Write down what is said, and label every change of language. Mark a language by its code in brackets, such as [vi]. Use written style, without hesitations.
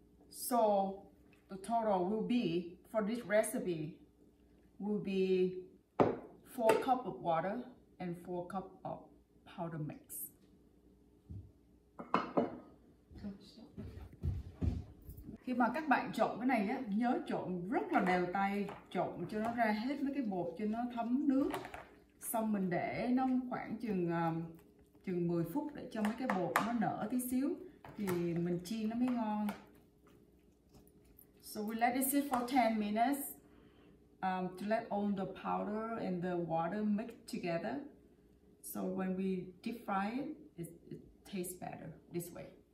[en] So the total will be for this recipe will be 4 cup of water and 4 cup of powder mix. [vi] Khi mà các bạn trộn cái này á, nhớ trộn rất là đều tay, trộn cho nó ra hết mấy cái bột, cho nó thấm nước. Xong mình để nó khoảng chừng 10 phút để cho mấy cái bột nó nở tí xíu thì mình chiên nó mới ngon. [en] So we let it sit for 10 minutes to let all the powder and the water mix together. So when we deep fry it, it tastes better this way.